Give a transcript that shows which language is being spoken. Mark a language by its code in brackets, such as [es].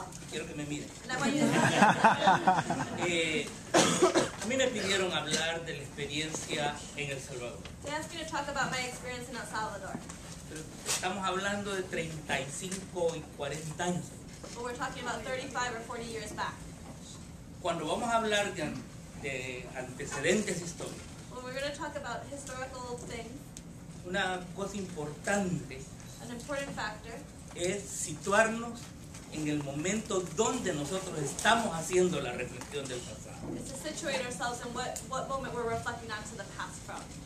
[es] Quiero que me miren. A mí me pidieron hablar de la experiencia en El Salvador. [en] They asked me to talk about my experience in El Salvador. [es] Pero estamos hablando de 35 y 40 años. [en] But we're talking about 35 or 40 years back. [es] Cuando vamos a hablar de antecedentes históricos. [en] When we're going to talk about historical things. [es] Una cosa importante. [en] An important factor. [es] Es situarnos en el momento donde nosotros estamos haciendo la reflexión del pasado. [en] Is to situate ourselves in what moment we're reflecting on to the past from.